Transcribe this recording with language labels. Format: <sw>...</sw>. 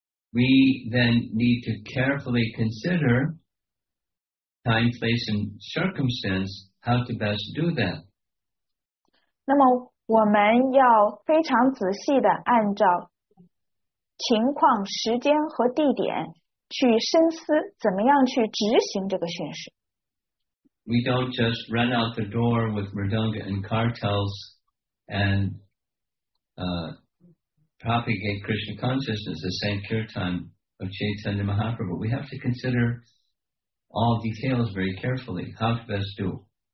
<en>We then need to carefully consider time, place, and circumstance how to best do that.</en> <zh>那么我们要非常仔细地按照情况、时间和地点去深思怎么样去执行这个训示。</zh> <en>We don't just run out the door with mridanga and cartels and propagate Krishna consciousness, the Sankirtan of Chaitanya Mahaprabhu. We have to consider all details very carefully, how to best do.</en>